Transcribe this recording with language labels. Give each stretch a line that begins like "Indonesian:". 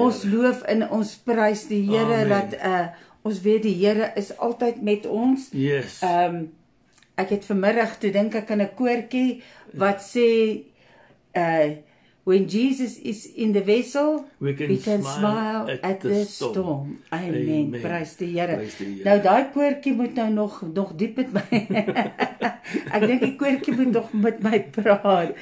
Afrikaans: Ons loof en ons prys die Here dat ons weet die Here is altyd met ons.
English: Yes.
Afrikaans: Ek het vanmiddag toe dink ek aan 'n koortjie wat sê
English: when Jesus is in the vessel, we can smile at the storm.
Afrikaans: Amen. Prys die Here. Nou, daai koortjie moet nou nog diep met my. Ek dink die koortjie moet nog met my praat.